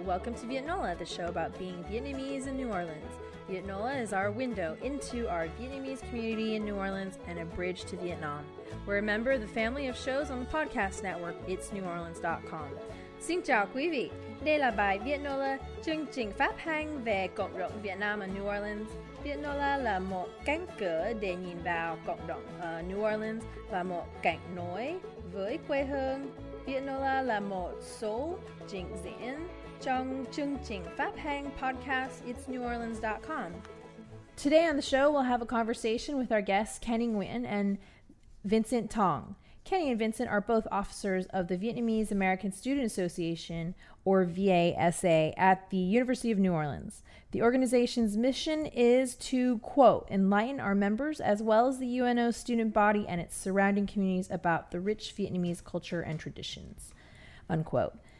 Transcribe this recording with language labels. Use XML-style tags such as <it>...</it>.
<en>Welcome to Vietnola, the show about being Vietnamese in New Orleans. Vietnola is our window into our Vietnamese community in New Orleans and a bridge to Vietnam. We're a member of the family of shows on the podcast network, itsneworleans.com.</en> <vi>Xin chào quý vị. Đây là bài Vietnola, chương trình phát hành về cộng đồng Việt Nam ở New Orleans. Vietnola là một cánh cửa để nhìn vào cộng đồng New Orleans và một cảnh nối với quê hương. Vietnola là một số trình diễn trong chương trình phát hành podcast itsneworleans.com.</vi> <en>Today on the show, we'll have a conversation with our guests Kenny Nguyen and Vincent Tong. Kenny and Vincent are both officers of the Vietnamese American Student Association, or VASA, at the University of New Orleans. The organization's mission is to, quote, enlighten our members as well as the UNO student body and its surrounding communities about the rich Vietnamese culture and traditions, unquote.</en>